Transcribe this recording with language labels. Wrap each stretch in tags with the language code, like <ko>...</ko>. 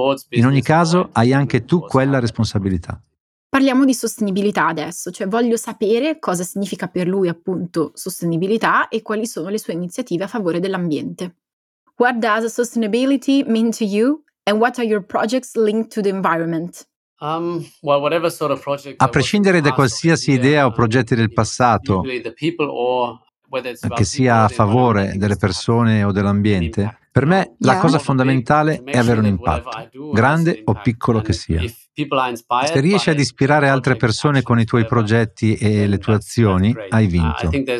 <it>In ogni caso, hai anche tu quella responsabilità. Parliamo di sostenibilità adesso, cioè voglio sapere cosa significa per lui appunto sostenibilità e quali sono le sue iniziative a favore dell'ambiente.</it> <en>What does sustainability mean to you and what are your projects linked to the environment?</en> <it>A prescindere da qualsiasi idea o progetti del passato, che sia a favore delle persone o dell'ambiente, per me la cosa fondamentale è avere un impatto, grande o piccolo che sia. Se riesci ad ispirare altre persone con i tuoi progetti e le tue azioni, hai vinto.</it>